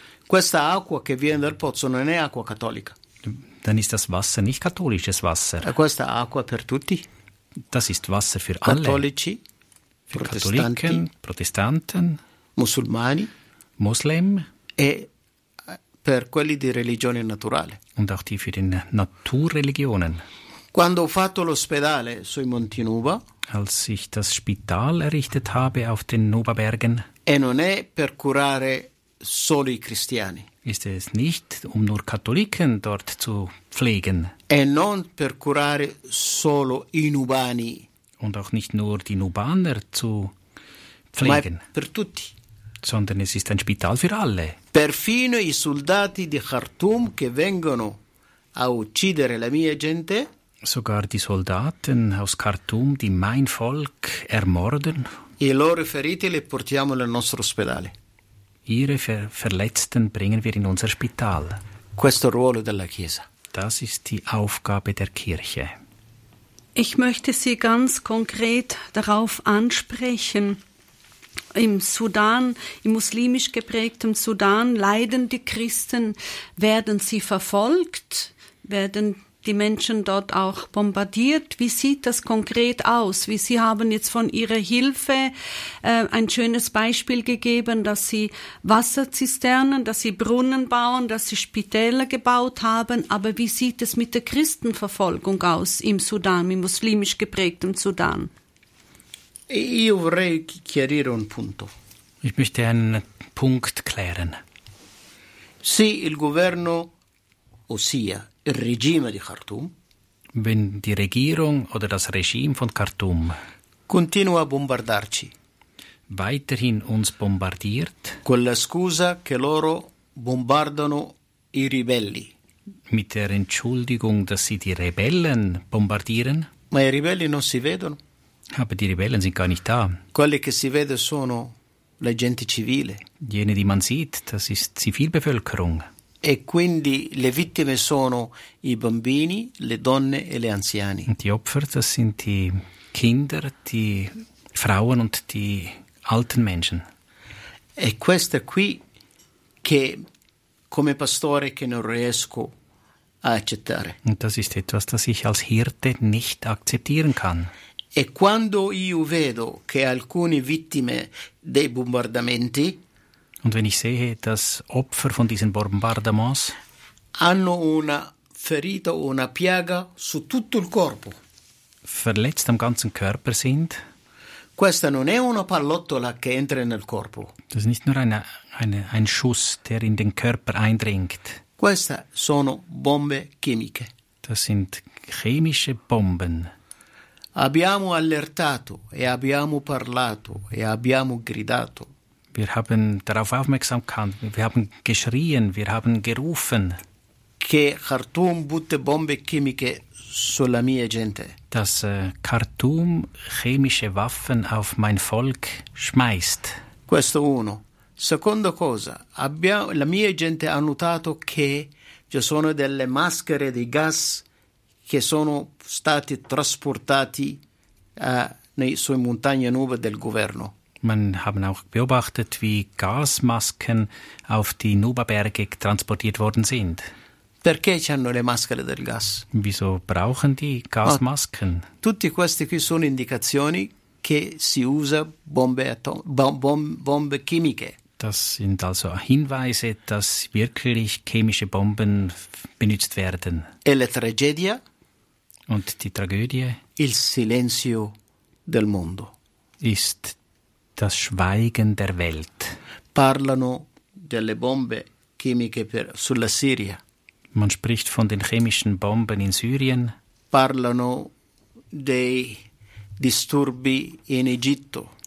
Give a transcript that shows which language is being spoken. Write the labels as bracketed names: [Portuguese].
[Italian] questa acqua che viene dal pozzo non è acqua cattolica. [German] Dann ist das Wasser nicht katholisches Wasser. [Italian] Questa acqua per tutti. [German] Das ist Wasser für [Italian] Cattolici, [German] alle. Für Katholiken, Protestanten, [Italian] Musulmani, [German] Muslim [Italian] e per quelli di religione naturale. [German] Und auch die für den Naturreligionen. [Italian] Quando ho fatto l'ospedale sui Monti Nuba, [German] als ich das Spital errichtet habe auf den Nuba-Bergen, [Italian] e non è per curare solo i cristiani. [German] Ist es nicht, um nur Katholiken dort zu pflegen. [Italian] E non per curare solo i Nubani. [German] Und auch nicht nur die Nubaner zu pflegen. [Italian] Ma per tutti. [German] Sondern es ist ein Spital für alle. [Italian] Perfino i soldati di Khartoum che vengono a uccidere la mia gente. [German] Sogar die Soldaten aus Khartoum, die mein Volk ermorden. [Italian] I loro feriti li portiamo nel nostro ospedale. [German] Ihre Verletzten bringen wir in unser Spital. [Italian] Questo ruolo della Chiesa. [German] Das ist die Aufgabe der Kirche. Ich möchte Sie ganz konkret darauf ansprechen. Im Sudan, im muslimisch geprägten Sudan, leiden die Christen, werden sie verfolgt, werden die Menschen dort auch bombardiert. Wie sieht das konkret aus? Wie Sie haben jetzt von Ihrer Hilfe ein schönes Beispiel gegeben, dass Sie Wasserzisternen, dass Sie Brunnen bauen, dass Sie Spitäler gebaut haben. Aber wie sieht es mit der Christenverfolgung aus im Sudan, im muslimisch geprägten Sudan? [Italian] Io vorrei chiarire un punto. [German] Ich möchte einen Punkt klären. [Italian] Sì, il governo, ossia il regime di Khartoum, [German] wenn die Regierung oder das Regime von Khartoum [Italian] continua a bombardarci, [German] weiterhin uns bombardiert, [Italian] con la scusa che loro bombardano i ribelli, [German] mit der Entschuldigung, dass sie die Rebellen bombardieren, [Italian] ma i ribelli non si vedono. [German] Aber die Rebellen sind gar nicht da. [Italian] Quelli che si vede sono la gente civile. [German] Jene, die man sieht, das ist Zivilbevölkerung. [Italian] E quindi le vittime sono i bambini, le donne e le anziani. [German] Und die Opfer, das sind die Kinder, die Frauen und die alten Menschen. [Italian] E questa qui che come pastore che non riesco a accettare. [German] Und das ist etwas, das ich als Hirte nicht akzeptieren kann. [Italian] E quando io vedo che alcune vittime dei bombardamenti, [German] und wenn ich sehe, dass Opfer von diesen Bombardements [Italian] hanno una ferita o una piaga su tutto il corpo, [German] verletzt am ganzen Körper sind, [Italian] questa non è una pallottola che entra nel corpo. [German] Das ist nicht nur ein Schuss, der in den Körper eindringt. [Italian] Queste sono bombe chimiche. [German] Das sind chemische Bomben. [Italian] Abbiamo allertato e abbiamo parlato e abbiamo gridato. [German] Wir haben darauf aufmerksam gemacht, wir haben geschrien, wir haben gerufen. [Italian] Che Khartoum butte bombe chimiche sulla mia gente. [German] Dass Khartoum chemische Waffen auf mein Volk schmeißt. [Italian] Questo uno. Seconda cosa, la mia gente ha notato che ci sono delle maschere di gas che sono stati trasportati sui montagne nuove del governo. [German] Man haben auch beobachtet, wie Gasmasken auf die Nuba-Berge transportiert worden sind. [Italian] Perché hanno le maschere del gas? [German] Wieso brauchen die Gasmasken? [Italian] Tutti questi qui sono indicazioni che si usa bombe chimiche. [German] Das sind also Hinweise, dass wirklich chemische Bomben benutzt werden. [Italian] E la tragedia. [German] Und die Tragödie. [Italian] Il silenzio del mondo. [German] Ist das Schweigen der Welt. [Italian] Parlano delle bombe chimiche per sulla Siria. [German] Man spricht von den chemischen Bomben in Syrien. [Italian] Parlano dei disturbi in Egitto.